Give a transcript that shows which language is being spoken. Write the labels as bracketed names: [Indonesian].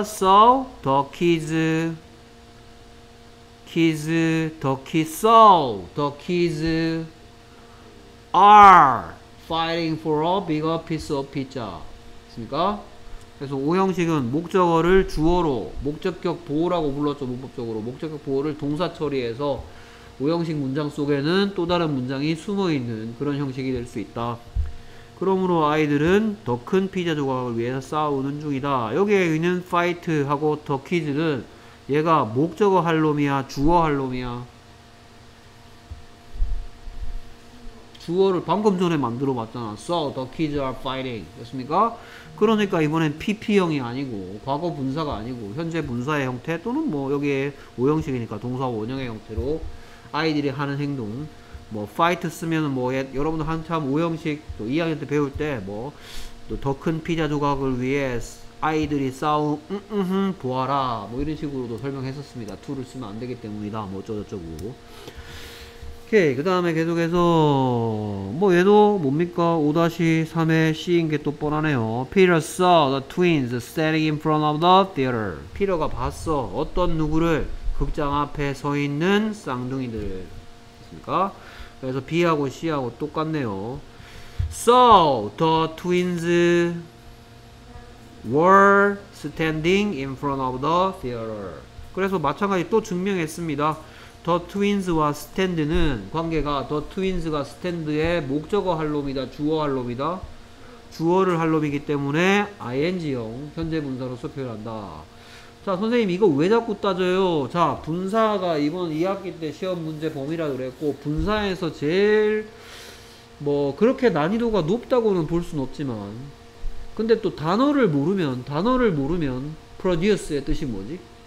[English] So the kids the kids so the kids are fighting for a bigger piece of pizza. [Korean] 됐습니까? 그래서 5형식은 목적어를 주어로 목적격 보호라고 불렀죠. 문법적으로 목적격 보호를 동사 처리해서 5형식 문장 속에는 또 다른 문장이 숨어있는 그런 형식이 될 수 있다. 그러므로 아이들은 더 큰 피자 조각을 위해서 싸우는 중이다. 여기에 있는 파이트하고 더 키즈는 얘가 목적어 할 놈이야, 주어 할 놈이야? 주어를 방금 전에 만들어 봤잖아. [English] So the kids are fighting. [Korean] 됐습니까? 그러니까 이번엔 PP형이 아니고 과거 분사가 아니고 현재 분사의 형태 또는 뭐 여기에 오형식이니까 동사 원형의 형태로 아이들이 하는 행동. 뭐 fight 쓰면은 뭐 여러분들 한참 오형식 또 2학년 때 배울 때 뭐 또 더 큰 피자 조각을 위해 아이들이 싸움 보아라 뭐 이런 식으로도 설명했었습니다. 2를 쓰면 안 되기 때문이다. 뭐 어쩌고저쩌고. 오케이. 그 다음에 계속해서 뭐 얘도 뭡니까? 5-3의 C인 게 또 뻔하네요. [English] Peter saw the twins standing in front of the theater. [Korean] 피터가 봤어. 어떤 누구를? 극장 앞에 서 있는 쌍둥이들. 됐습니까? 그래서 B하고 C하고 똑같네요. [English] Saw the twins were standing in front of the theater. [Korean] 그래서 마찬가지 또 증명했습니다. The twins와 stand는 관계가 the twins가 stand의 목적어 할 놈이다, 주어 할 놈이다. 주어를 할 놈이기 때문에 ing형 현재 분사로서 표현한다. 자, 선생님 이거 왜 자꾸 따져요? 자, 분사가 이번 2학기 때 시험 문제 범위라 그랬고 분사에서 제일 뭐 그렇게 난이도가 높다고는 볼 순 없지만 근데 또 단어를 모르면 produce의 뜻이 뭐지?